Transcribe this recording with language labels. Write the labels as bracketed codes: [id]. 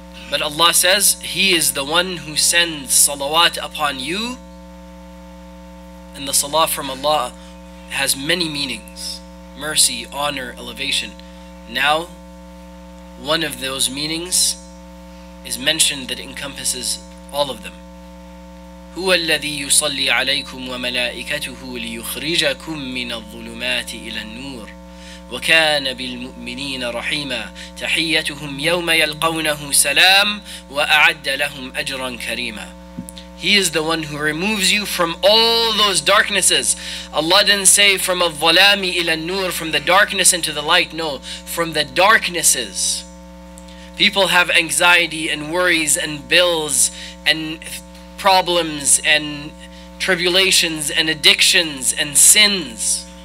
[en] But Allah says, He is the one who sends salawat upon you. And the salah from Allah has many meanings. Mercy, honor, elevation. Now, one of those meanings is mentioned that encompasses all of them. [ar] هو الذي يصلي عليكم وملائكته ليخرجكم من الظلمات إلى النور وكان بالمؤمنين رحيما تحيتهم يوم يلقونه سلام وأعد لهم أجرا كريما. [en] He is the one who removes you from all those darknesses. Allah didn't say from [ar] al-dhalami ila al-nur, [en] from the darkness into the light. No, from the darknesses. People have anxiety and worries and bills and problems and tribulations and addictions and sins.